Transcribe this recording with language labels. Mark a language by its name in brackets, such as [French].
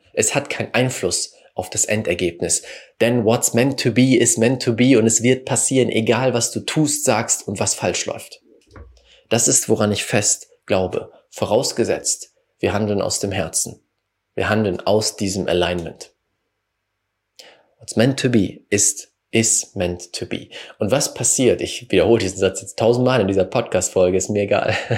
[German] Es hat keinen Einfluss auf das Endergebnis. Denn [English] what's meant to be [German] is meant to be und es wird passieren, egal was du tust, sagst und was falsch läuft. Das ist, woran ich fest glaube. Vorausgesetzt, wir handeln aus dem Herzen. Wir handeln aus diesem Alignment. [English] What's meant to be is meant to be. [German] Und was passiert? Ich wiederhole diesen Satz jetzt 1000 Mal in dieser Podcast-Folge, ist mir egal.